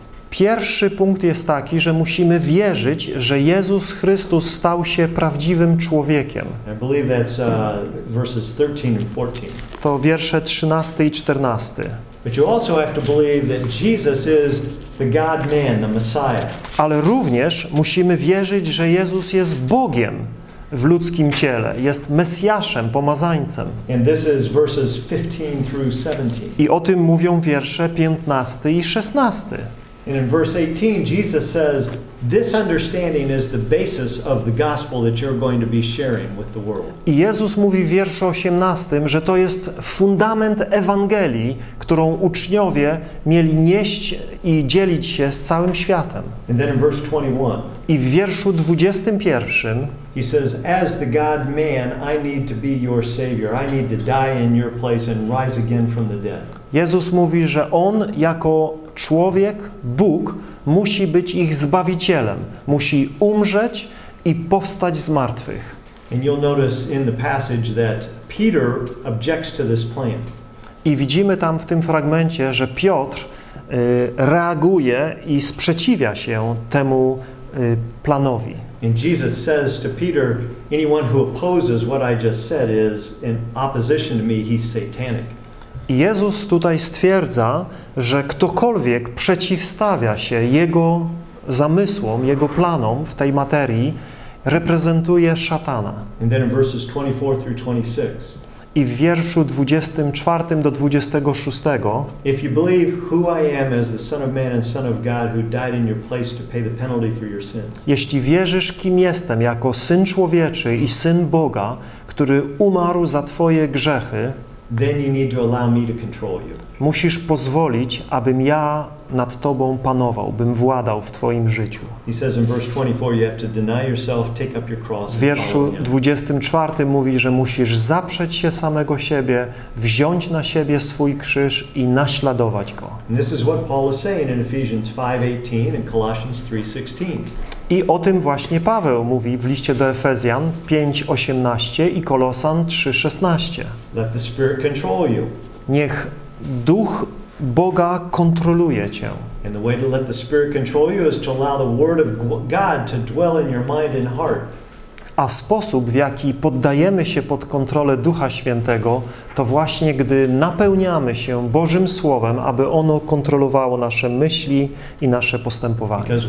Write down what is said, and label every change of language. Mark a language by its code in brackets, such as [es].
[pl] Pierwszy punkt jest taki, że musimy wierzyć, że Jezus Chrystus stał się prawdziwym człowiekiem. [en] I believe that's verses 13 and 14. [pl] To wiersze 13 i 14. [en] But you also have to believe that Jesus is the God-man, the Messiah. [pl] Ale również musimy wierzyć, że Jezus jest Bogiem w ludzkim ciele, jest Mesjaszem, pomazańcem. [en] And this is verses 15 through 17. [pl] I o tym mówią wiersze 15 i 16. [en] And in verse 18 Jesus says, "This understanding is the basis of the gospel that you're going to be sharing with the world." [pl] I Jezus mówi w wierszu 18, że to jest fundament Ewangelii, którą uczniowie mieli nieść i dzielić się z całym światem. [en] And then in verse 21. [pl] I w wierszu 21 [en] he says, "As the God man, I need to be your savior. I need to die in your place and rise again from the dead." [pl] Jezus mówi, że on jako człowiek, Bóg, musi być ich zbawicielem, musi umrzeć i powstać z martwych. [en] And you'll notice in the passage that Peter objects to this plan. [pl] I widzimy tam w tym fragmencie, że Piotr reaguje i sprzeciwia się temu planowi. [en] And Jesus says to Peter, anyone who opposes what I just said is in opposition to me, he's satanic. [pl] Jezus tutaj stwierdza, że ktokolwiek przeciwstawia się Jego zamysłom, Jego planom w tej materii, reprezentuje szatana. [en] And then in verses 24 through 26. [pl] I w wierszu 24 do 26. [en] If you believe who I am as the Son of Man and Son of God who died in your place to pay the penalty for your sins. [pl] Jeśli wierzysz, kim jestem, jako Syn Człowieczy i Syn Boga, który umarł za Twoje grzechy, [en] then you need to allow me to control you. [pl] Musisz pozwolić, abym ja nad tobą panował, bym władał w twoim życiu. [en] He says in verse 24 you have to deny yourself, take up your cross. [pl] W wierszu 24 mówi, że musisz zaprzeć się samego siebie, wziąć na siebie swój krzyż i naśladować go. [en] And this is what Paul is saying in Ephesians 5:18 and Colossians 3:16. [pl] I o tym właśnie Paweł mówi w liście do Efezjan 5:18 i Kolosan 3:16. [en] Let the Spirit control you. [pl] Niech Duch Boga kontroluje cię. [en] And the way to let the Spirit control you is to allow the Word of God to dwell in your mind and heart. [pl] A sposób, w jaki poddajemy się pod kontrolę Ducha Świętego, to właśnie gdy napełniamy się Bożym Słowem, aby ono kontrolowało nasze myśli i nasze postępowanie.